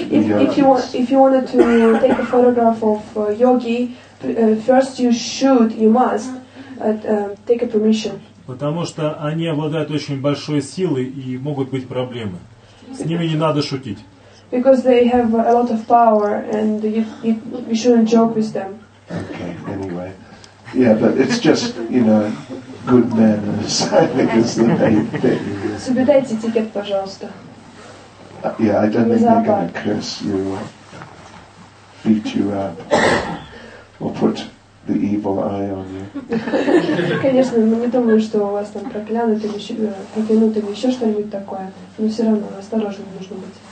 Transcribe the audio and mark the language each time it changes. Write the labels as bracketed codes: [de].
[en] If you wanted to take a photograph of yogi, first you must take a permission. [ru] Потому что они обладают очень большой силой и могут быть проблемы. С ними не надо шутить. [en] Because they have a lot of power, and you shouldn't joke with them. Okay. Anyway, yeah, but it's just good manners. I think is the main thing. [ru] Соблюдайте этикет, пожалуйста. [en] Yeah, I don't think they're going to curse you, or beat you up, or put the evil eye on you. [ru] Конечно, мы не думаем, что у вас там проклянут или протянут или еще что-нибудь такое. Но все равно осторожно нужно быть.